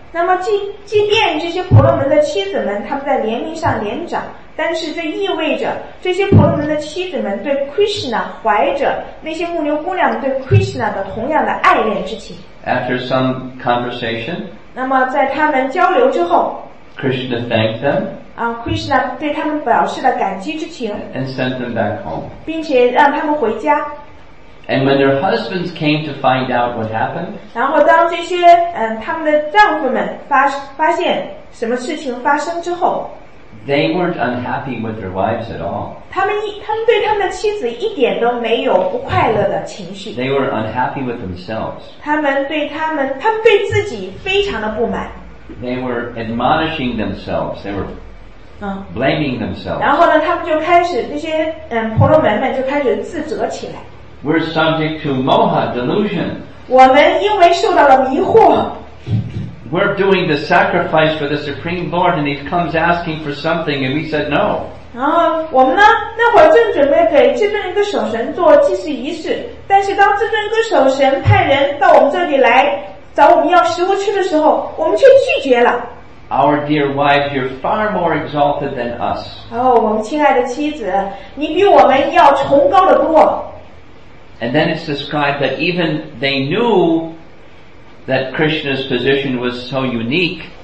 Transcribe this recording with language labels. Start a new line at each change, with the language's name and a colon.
Chinese: 那么即便这些婆罗门的妻子们他们在年龄上年长但是这意味着这些婆罗门的妻子们对 Krishna 怀着那些牧牛姑娘对 Krishna 的同样的爱恋之情。
English: After some conversation,
Chinese: 那么在他们交流之后
English: Krishna thanked them,
Chinese: Krishna 对他们表示了感激之情
English: and sent them back home.
Chinese: 并且让他们回家。
English: And when their husbands came to find out what happened,
Chinese: 然后当这些、他们的丈夫们 发现什么事情发生之后
English: they weren't unhappy with their wives at all.
Chinese: 他们对他们的妻子一点都没有不快乐的情绪
English: They were unhappy with themselves.
Chinese: 他们对自己非常的不满
English: They were admonishing themselves. They were blaming themselves.
Chinese: 然后呢他们就开始那些、婆罗门们就开始自责起来
English: We're subject to moha delusion.
Chinese: 我们因为受到了迷惑。
English: We're doing the sacrifice for the Supreme Lord, and he comes asking for something, and we said no.
Chinese: 我们呢，那会儿正准备给至尊一个守神做祭祀仪式，但是当至尊一个守神派人到我们这里来找我们要食物吃的时候，我们却拒绝了。
English: Our dear wives, you're far more exalted than us.
Chinese: 我们亲爱的妻子，你比我们要崇高得多。
English: And then it's described that even they knew that Krishna's position was so unique.